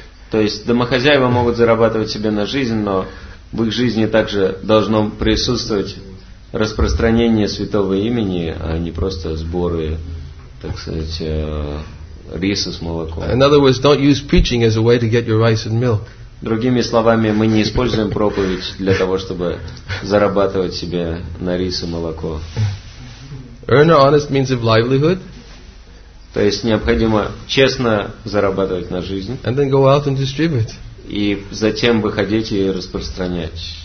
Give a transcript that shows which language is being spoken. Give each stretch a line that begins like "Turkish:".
Russian: То есть домохозяева могут зарабатывать себе на жизнь, но в их жизни также должно присутствовать распространение святого имени, а не просто сборы, так сказать, риса с молоком.
English: In other words, don't use preaching as a way to get your rice and milk.
Russian: Другими словами, мы не используем проповедь для того, чтобы зарабатывать себе на рис и молоко.
English: Earn an honest means of livelihood.
Russian: То есть необходимо честно зарабатывать на жизнь.
English: And then go out and distribute.
Russian: И затем выходить и распространять.